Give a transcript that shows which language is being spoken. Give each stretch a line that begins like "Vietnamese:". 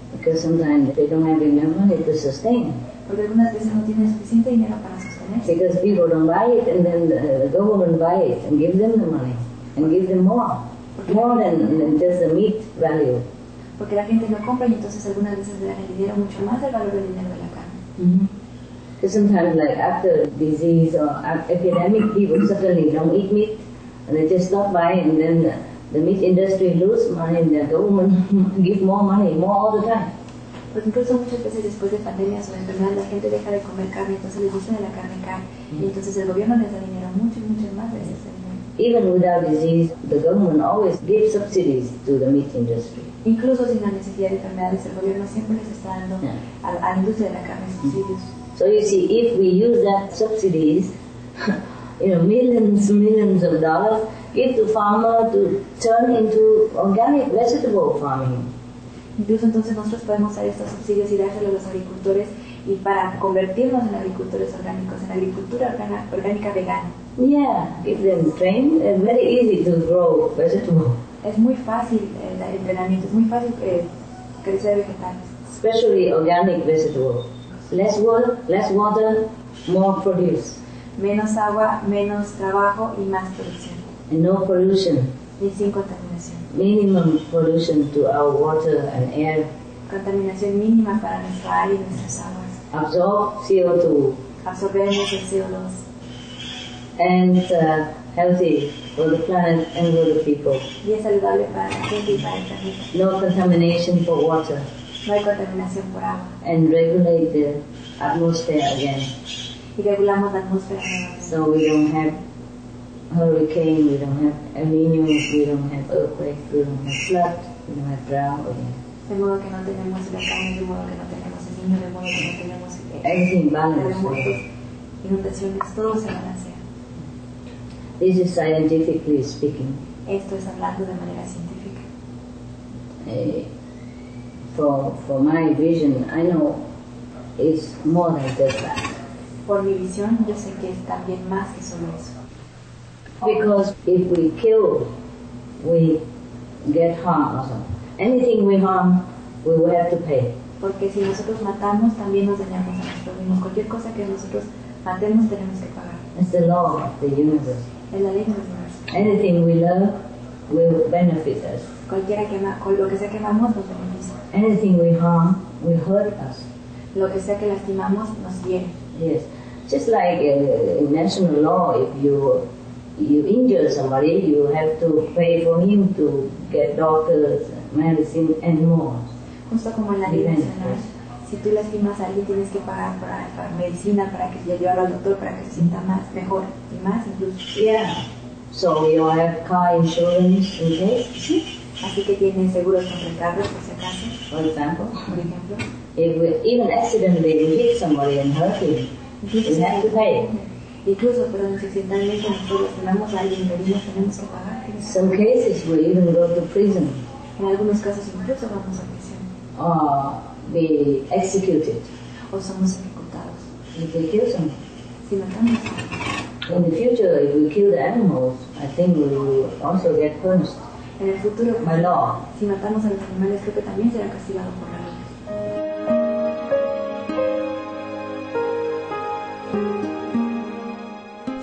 English: Because sometimes they don't have enough money to sustain.
Spanish: Porque algunas veces no tienen suficiente dinero para sostener.
English: Because people don't buy it and then the government buy it and give them the money. And give them more. More than just the meat value.
Spanish: Porque la gente no compra y entonces algunas veces le dan el dinero mucho más del valor del dinero de la carne. Mm-hmm.
English: Because sometimes, like after disease or epidemic, people suddenly don't eat meat, And they just stop buying, and then the meat industry lose money, and the government give more money, more all the time.
Spanish: Pues incluso muchas veces después de pandemias o enfermedades, la gente deja de comer carne, entonces les gusta de la carne y entonces el gobierno les da dinero mucho, mucho más de ese dinero.
English: Even without disease, the government always gives subsidies to the meat industry.
Spanish: Incluso sin la necesidad de enfermedades, el gobierno siempre les está dando a la industria de la carne subsidios.
English: So you see, if we use that subsidies, you know, millions of dollars, give to farmer to turn into organic vegetable farming.
Spanish: Incluso entonces nosotros podemos hacer estos subsidios y dárselos a los agricultores y para convertirnos en agricultores orgánicos, en agricultura orgánica vegana.
English: Yeah, give them training, it's very easy to grow vegetables.
Spanish: Es muy fácil el entrenamiento, es muy fácil crecer vegetales.
English: Especially organic vegetables. Less water, more produce.
Spanish: Menos agua, menos trabajo y más producción.
English: And no pollution.
Spanish: Y sin contaminación.
English: Minimum pollution to our water and air.
Spanish: Contaminación mínima para nuestro aire y nuestras aguas.
English: Absorb CO2.
Spanish: Absorbemos el CO2.
English: And healthy for the planet and for the people.
Spanish: Y es saludable para la gente y para el planeta.
English: No contamination for water.
Spanish: No hay contaminación por agua.
English: And regulate the atmosphere again.
Spanish: Y regulamos la atmósfera.
English: So we don't have hurricane, we don't have El Niño, we don't have earthquake, we don't have flood, we don't have drought again.
Spanish: De modo que no tenemos el huracán, de modo que no tenemos el niño, de modo que no tenemos
English: everything balanced.
Spanish: Inundaciones, todo se balancea.
English: This is scientifically speaking.
Spanish: Esto es hablando de manera científica.
English: For my vision, I know it's more than just that.
Spanish: Por mi visión, yo sé que es también más que solo eso.
English: Because if we kill, we get harm also. Anything we harm, we will have to pay.
Spanish: Porque si nosotros matamos, también nos dañamos a nosotros mismos. Cualquier cosa que nosotros matemos, tenemos que pagar.
English: It's the law of the universe.
Spanish: Es la ley del universo.
English: Anything we love will benefit us.
Spanish: Cualquiera que lo que sea que amamos, nos beneficia.
English: Anything we harm will hurt us.
Spanish: Lo que sea que lastimamos, nos hiere.
English: Yes. Just like in national law, if you injure somebody, you have to pay for him to get doctors, medicine, and more.
Spanish: Justo como en la ley nacional, si tú lastimas a alguien, tienes que pagar para medicina, para que se lleve al doctor, para que se sienta más, mejor, y más incluso.
English: Yeah. So you have car insurance in case?
Spanish: Sí. Así que tienes seguros contra el carro, por si acaso. Por ejemplo.
English: If accidentally you hit somebody and hurt him, you have to pay.
Spanish: Incluso, pero accidentalmente nosotros lastimamos a alguien y morimos, tenemos que pagar.
English: In some cases we even go to prison.
Spanish: En algunos casos incluso vamos a prisión.
English: Or be executed.
Spanish: O somos ejecutados.
English: If we kill someone.
Spanish: Si matamos.
English: In the future, if we kill the animals, I think we will also get punished.
Spanish: En el futuro,
English: by law.
Spanish: Si matamos a los animales, creo que también será castigado por la ley.